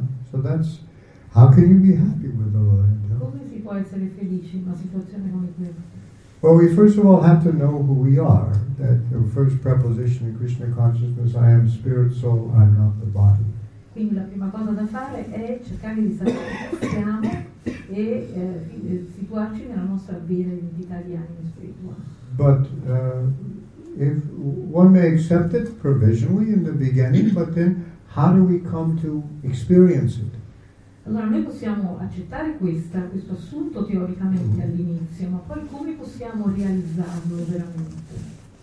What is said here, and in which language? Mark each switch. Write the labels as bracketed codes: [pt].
[en] So that's how can you be happy with the Lord? [it] Come si può essere felici in una situazione come questa? [en] Well, we first of all have to know who we are. That the first preposition in Krishna consciousness, I am spirit, soul, I am not the body. [it] Quindi la prima cosa da fare è cercare di sapere chi siamo e situarci nella nostra vera identità di anima spirituale. [en] But if one may accept it provisionally in the beginning, but then how do we come to experience it? [it] Allora, noi possiamo accettare questo assunto teoricamente all'inizio, ma poi come possiamo realizzarlo veramente?